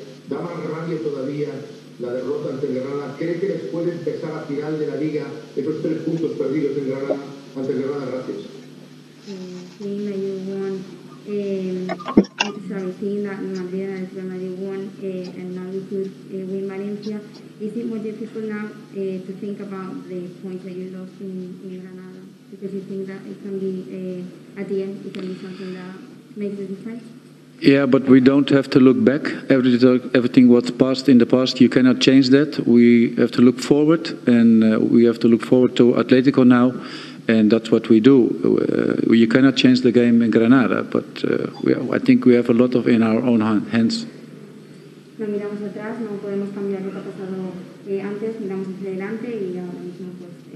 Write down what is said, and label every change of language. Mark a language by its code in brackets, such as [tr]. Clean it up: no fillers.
[es] ¿Da más rabia todavía la derrota ante el Granada? ¿Cree que les puede pesar a final de la Liga esos tres puntos perdidos en Granada ante el Granada? Gracias. Sí, me ayudó. [en] So I'm seeing that Madrid has already won and now we could win Valencia. Is it more difficult now to think about the points that you lost in Granada? Because you think that it can be, at the end, it can be something that makes a difference? Yeah, but we don't have to look back. Everything what's passed in the past, you cannot change that. We have to look forward, and we have to look forward to Atletico now. And that's what we do. You cannot change the game in Granada, but I think we have a lot of in our own hands. [es] No miramos atrás, no podemos cambiar lo que ha pasado antes, miramos hacia adelante y ahora mismo pues...